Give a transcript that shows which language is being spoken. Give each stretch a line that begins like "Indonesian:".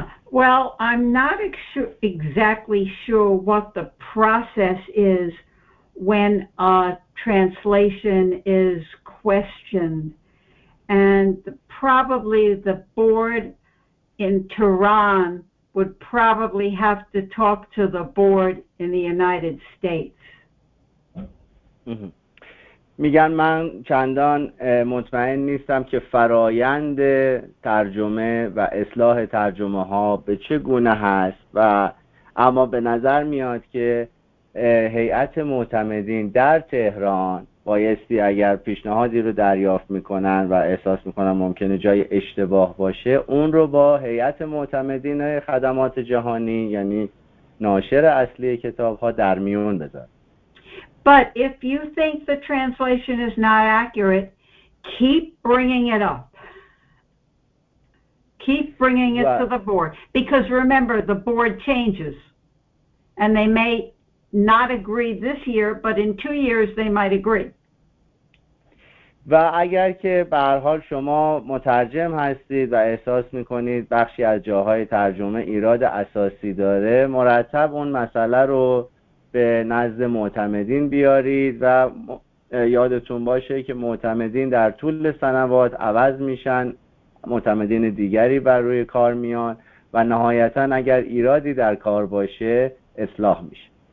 English: Well, I'm not exactly sure what the process is when a translation is questioned, and probably the board in Tehran would probably have to talk to the board in the United States.
Persian: میگن من چندان مطمئن نیستم که فرایند ترجمه و اصلاح ترجمه ها به چه گونه هست، و اما به نظر میاد که هیئت معتمدین در تهران بایستی اگر پیشنهادی رو دریافت میکنن و احساس میکنن ممکنه جای اشتباه باشه، اون رو با هیئت معتمدین خدمات جهانی یعنی ناشر اصلی کتاب ها در میون بذار.
English: But if you think the translation is not accurate, keep bringing it up. Keep bringing it to the board. Because remember, the board changes. And they may not agree this year, but in 2 years they might agree.
Persian: و اگر که به هر حال شما مترجم هستید و احساس میکنید بخشی از جاهای ترجمه ایراد اساسی داره، مرتب اون مسئله رو به نزد معتمدین بیارید و یادتون باشه که معتمدین در طول سنوات عوض میشن، معتمدین دیگری بر روی کار میان و نهایتا اگر ایرادی در کار باشه اصلاح میشه.